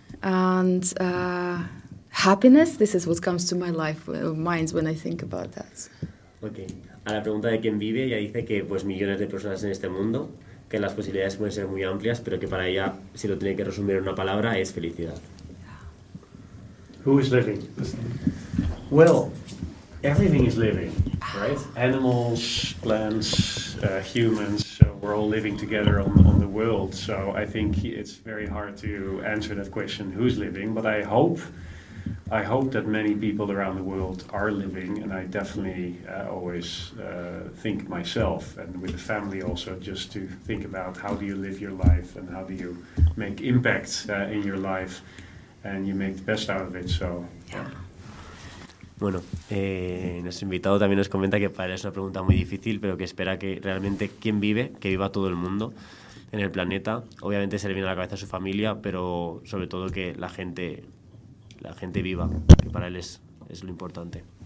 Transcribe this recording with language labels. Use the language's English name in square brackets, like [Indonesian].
[English] And happiness, this is what comes to my life, mind when I think about that. Okay. [Spanish] A la pregunta de quién vive, ella dice que pues millones de personas en este mundo, que las posibilidades pueden ser muy amplias, pero que para ella, si lo tiene que resumir en una palabra, es felicidad. [English] Who is living? Well, everything is living, right? Animals, plants, humans, so we're all living together on the world. So I think it's very hard to answer that question, who's living, but I hope that many people around the world are living, and I definitely always think myself, and with the family also, just to think about how do you live your life and how do you make impact in your life, and you make the best out of it, so. [Spanish] Bueno, nuestro invitado también nos comenta que para él es una pregunta muy difícil, pero que espera que realmente quien vive, que viva todo el mundo en el planeta. Obviamente se le viene a la cabeza a su familia, pero sobre todo que la gente viva, que para él es lo importante.